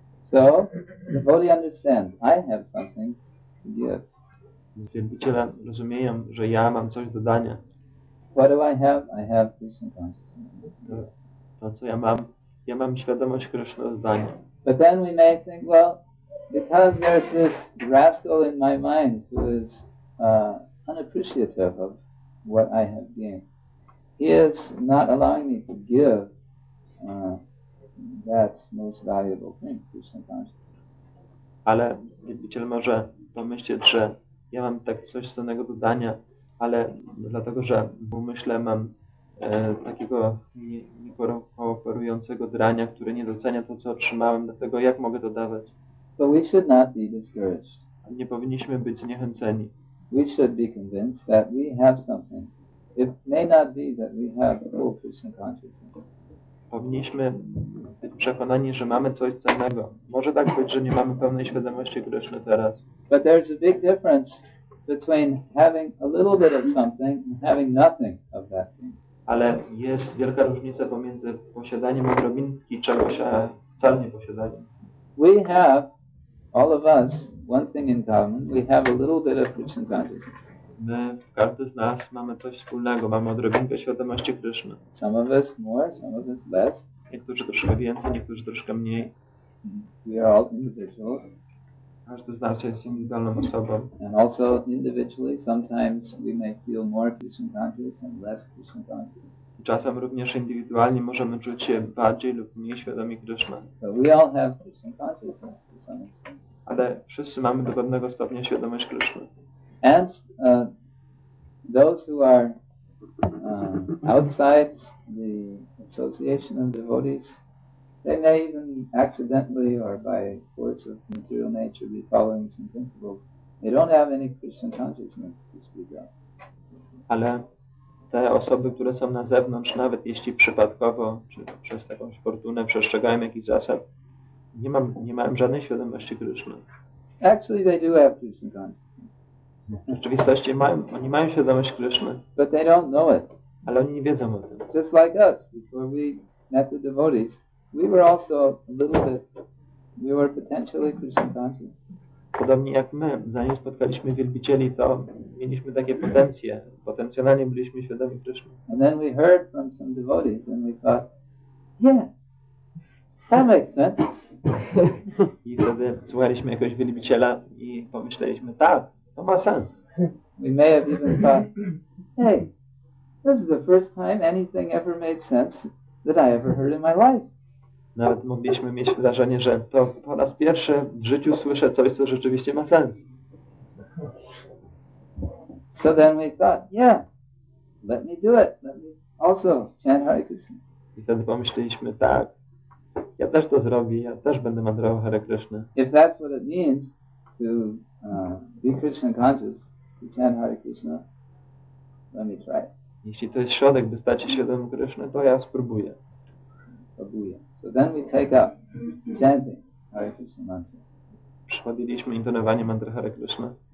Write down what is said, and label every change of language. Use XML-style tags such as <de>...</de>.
<en>So, the devotee understands, I have something to give.</en> <pl>Wielbiciele rozumieją, że ja mam coś do dania.</pl> <en>What do I have? I have Krishna consciousness.</en> <pl>To co ja mam? Ja mam świadomość Krishna do dania.</pl> <en>But then we may think, well, because there's this rascal in my mind who is unappreciative of what I have gained. He is not allowing me to give that most valuable thing, Krishna consciousness.</en> <pl>Ale wielbiciel może pomyśleć, że ja mam tak coś cennego do dania, ale dlatego, że w umyśle mam takiego nieoferującego drania, który nie docenia to, co otrzymałem, dlatego jak mogę to dawać?</pl> <en>So we should not be discouraged.</en> <pl>Nie powinniśmy być zniechęceni.</pl> <en>We should be convinced that we have something. It may not be that we have full Krishna consciousness.</en> <pl>Powinniśmy być przekonani, że mamy coś cennego. Może tak być, że nie mamy pełnej świadomości Krishna teraz.</pl> <en>But there's a big difference between having a little bit of something and having nothing of that thing.</en> <pl>Ale jest wielka różnica pomiędzy posiadaniem odrobinki czegoś, a wcale nie posiadaniem.</pl> <en>We have, all of us, one thing in common. We have a little bit of Krishna consciousness.</en> <pl>My, każdy z nas mamy coś wspólnego, mamy odrobinkę świadomości Krishna.</pl> <en>Some of us more, some of us less.</en> <pl>Niektórzy troszkę więcej, niektórzy troszkę mniej.</pl> <en>We are all individual.</en> <pl>Każdy z nas jest indywidualną osobą.</pl> <en>And also individually, sometimes we may feel more Krishna conscious and less Krishna conscious.</en> <pl>Czasem również indywidualnie możemy czuć się bardziej lub mniej świadomi Krishna.</pl> <en>But we all have Krishna consciousness to some extent.</en> <pl>Ale wszyscy mamy do pewnego stopnia świadomość Krishna.</pl> <en>And those who are outside the association of devotees, they may even accidentally or by force of material nature be following some principles. They don't have any Krishna consciousness to speak of.</en> <pl>Ale te osoby, które są na zewnątrz, nawet jeśli przypadkowo, czy przez jakąś fortunę przestrzegają jakichś zasad, nie mam żadnej świadomości Kryszny.</pl> <en>Actually they do have to sometimes.</en> <pl>W rzeczywistości nie mają świadomość Kryszny.</pl> <en>But they don't know it.</en> <pl>Ale oni nie wiedzą o tym.</pl> <en>Just like us, before we met the devotees, we were also a little bit, we were potentially Krishna conscious.</en> <pl>Podobnie jak my, zanim spotkaliśmy wielbicieli, to mieliśmy takie potencje. Potencjalnie byliśmy świadomi Krishna.</pl> <en>And then we heard from some devotees and we thought, yeah, that makes sense.</en> <pl>I wtedy słuchaliśmy jakoś wielbiciela i pomyśleliśmy, tak, to ma sens.</pl> <en>We may have even thought, hey, this is the first time anything ever made sense that I ever heard in my life.</en> <pl>Nawet mogliśmy mieć wrażenie, że to po raz pierwszy w życiu słyszę coś, co rzeczywiście ma sens.</pl> <en>So then we thought, yeah, let me do it. Let me also chant Hare Krishna.</en> <pl>I wtedy pomyśleliśmy, tak, ja też to zrobię, ja też będę mandrował Hare Krishna.</pl> <en>If that's what it means to be Krishna conscious, to chant Hare Krishna, let me try it.</en> <pl>Jeśli to jest środek, by stać się świadomym Krishna, to ja spróbuję. Spróbuję.</pl> <en>So then we take up chanting Hare Krishna mantra.</en> <pl>Przychodziliśmy intonowanie mantra Hare Krishna.</pl>